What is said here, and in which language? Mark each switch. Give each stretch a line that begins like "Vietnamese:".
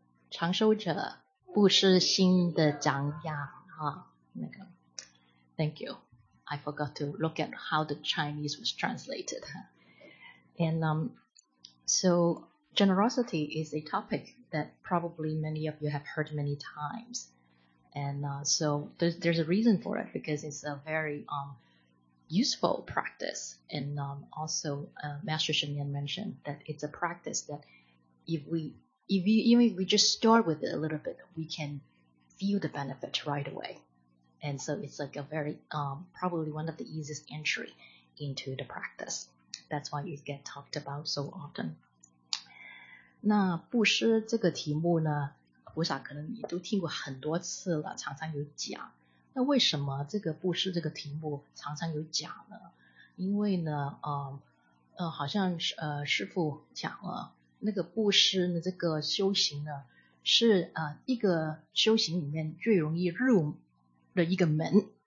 Chinese: 长修者不失心的长养啊，那个
English: ，Thank you. I forgot to look at how the Chinese was translated. And so generosity is a topic that probably many of you have heard many times. And so there's a reason for it because it's a very useful practice, and also Master Shen Yan mentioned that it's a practice that if we just start with it a little bit, we can feel the benefit right away. And so it's like a very, probably one of the easiest entry into the practice. That's why it gets talked about so often.
Chinese: 那布施这个题目呢，我想可能你都听过很多次了，常常有讲。那为什么这个布施这个题目常常有讲呢？因为呢，好像师父讲了，那个布施的这个修行呢，是一个修行里面最容易入的一个门。